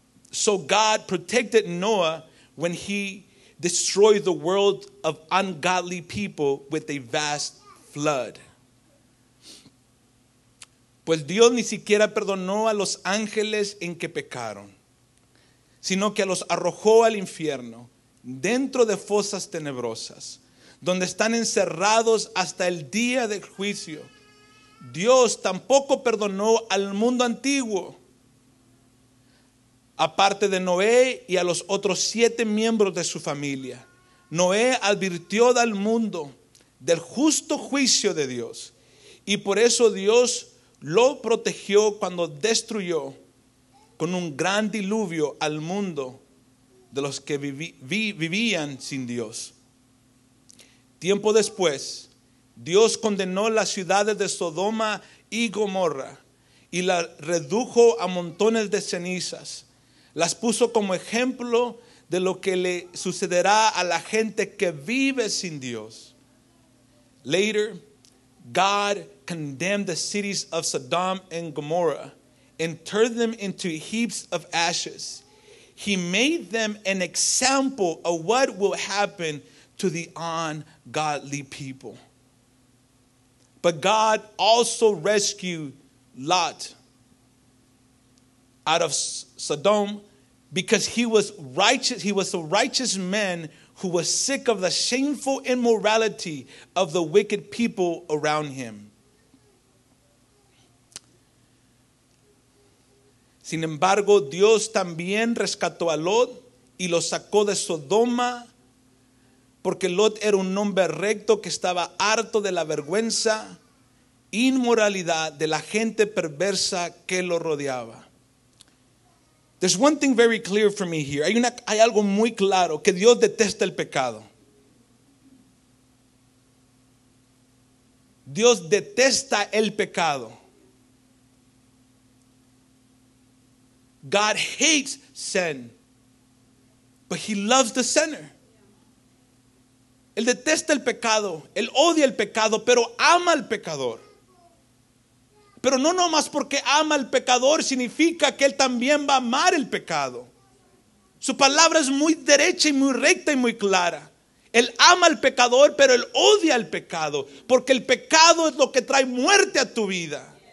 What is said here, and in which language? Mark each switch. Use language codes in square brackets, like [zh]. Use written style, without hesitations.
[en] So God protected Noah when he destroyed the world of ungodly people with a vast flood. [es] Pues Dios ni siquiera perdonó a los ángeles en que pecaron, sino que los arrojó al infierno, dentro de fosas tenebrosas, donde están encerrados hasta el día del juicio. Dios tampoco perdonó al mundo antiguo, aparte de Noé y a los otros siete miembros de su familia. Noé advirtió al mundo del justo juicio de Dios, y por eso Dios lo protegió cuando destruyó con un gran diluvio al mundo de los que vivían sin Dios. Tiempo después, Dios condenó las ciudades de Sodoma y Gomorra y las redujo a montones de cenizas. Las puso como ejemplo de lo que le sucederá a la gente que vive sin Dios. [en] Later, God condemned the cities of Sodom and Gomorrah and turned them into heaps of ashes. He made them an example of what will happen to the ungodly people. But God also rescued Lot out of Sodom because he was righteous. He was a righteous man who was sick of the shameful immorality of the wicked people around him. [es] Sin embargo, Dios también rescató a Lot y lo sacó de Sodoma, porque Lot era un hombre recto que estaba harto de la vergüenza, inmoralidad de la gente perversa que lo rodeaba. [en] There's one thing very clear for me here. [es] Hay algo muy claro, que Dios detesta el pecado. Dios detesta el pecado. [en] God hates sin, but he loves the sinner. [es] Él detesta el pecado, él odia el pecado, pero ama al pecador. Pero no nomás porque ama al pecador, significa que él también va a amar el pecado. Su palabra es muy derecha y muy recta y muy clara. Él ama al pecador, pero él odia al pecado, porque el pecado es lo que trae muerte a tu vida.